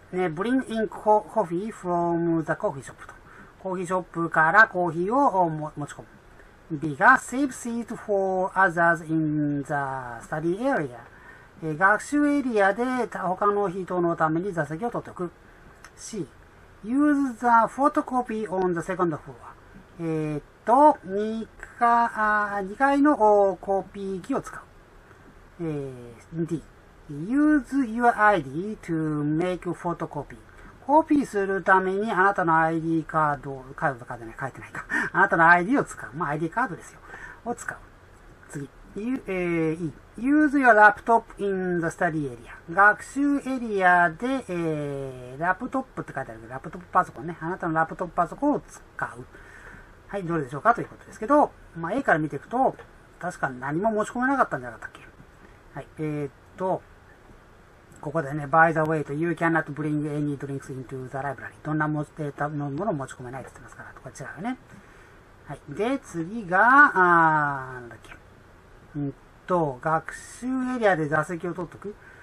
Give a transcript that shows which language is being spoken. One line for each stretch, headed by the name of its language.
English: bring in coffee from the coffee shop と。
Japanese: コーヒーショップからコーヒーを持ち込む。
English: B が save seat for others in the study area.
Japanese: 学習エリアで他の人のために座席を取っておく。
English: C. Use the photocopy on the second floor.
Japanese: 2階のコピー機を使う。D.
English: Use your ID to make photocopy.
Japanese: コピーするためにあなたの ID カード、カードとかじゃない、書いてないか。あなたの ID を使う。まあ ID カードですよ。を使う。次。
English: Use your laptop in the study area.
Japanese: 学習エリアで、ラップトップって書いてあるけど、ラップトップパソコンね。あなたのラップトップパソコンを使う。はい、どれでしょうかということですけど、まあ、A から見ていくと、確か何も持ち込めなかったんじゃなかったっけ。
English: はい、ここでね、by the way, you cannot bring any drinks into the library.
Japanese: どんなデータのものを持ち込めないって言ってますから、とか違うよね。はい。で、次が、なんだっけ。学習エリアで座席を取っとく。